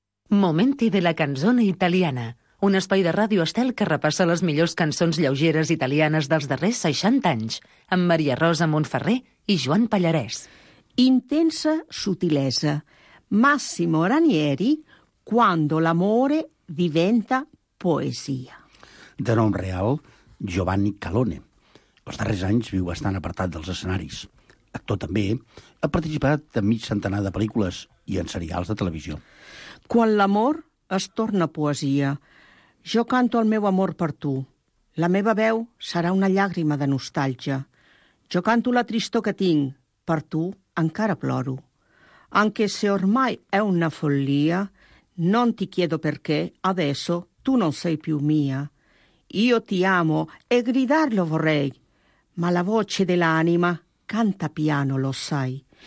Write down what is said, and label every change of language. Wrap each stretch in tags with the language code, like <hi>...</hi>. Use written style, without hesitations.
<ca>Momenti de la canzone italiana, un espai de ràdio Estel que repassa les millors cançons lleugeres italianes dels darrers 60 anys, amb Maria Rosa Montferrer i Joan Pallarès. Intensa sutilesa.</ca> <it>Massimo Ranieri, Quando l'amore diventa poesia.</it> <ca>De nom real, Giovanni Calone. Els darrers anys viu bastant apartat dels escenaris. Actor també, ha participat en mig centenar de pel·lícules i en serials de televisió. Quan l'amor es torna poesia, jo canto el meu amor per tu. La meva veu serà una llàgrima de nostàlgia. Jo canto la tristor que tinc, per tu encara ploro.</ca> <it>Anche se ormai è una follia, non ti chiedo perché, adesso tu non sei più mia. Io ti amo e gridarlo vorrei, ma la voce dell'anima canta piano, lo sai.</it>